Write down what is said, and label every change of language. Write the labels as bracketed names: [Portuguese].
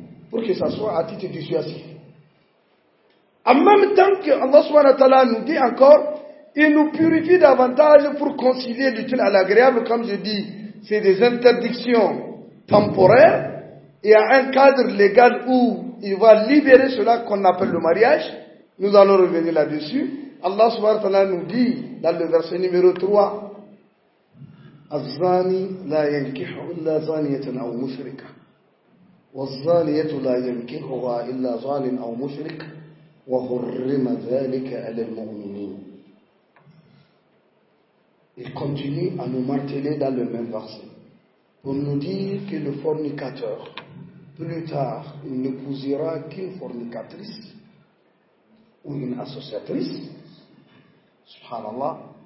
[French] Pour que ça soit à titre dissuasif. En même temps que Allah subhanahu wa ta'ala nous dit encore, il nous purifie davantage pour concilier l'utile à l'agréable, comme je dis, c'est des interdictions temporaires, et à un cadre légal où il va libérer cela qu'on appelle le mariage. Nous allons revenir là-dessus. Allah subhanahu wa ta'ala nous dit dans le verset numéro 3, [Arabic] الزاني لا ينكح إلا زانية أو مشركة والزانية لا ينكحها إلا زان أو مشرك وحرم ذلك على المؤمنين. [French] Il continue à nous marteler dans le même verset pour nous dire que le fornicateur, plus tard, il n'épousera qu'une fornicatrice ou une associatrice, subhanallah.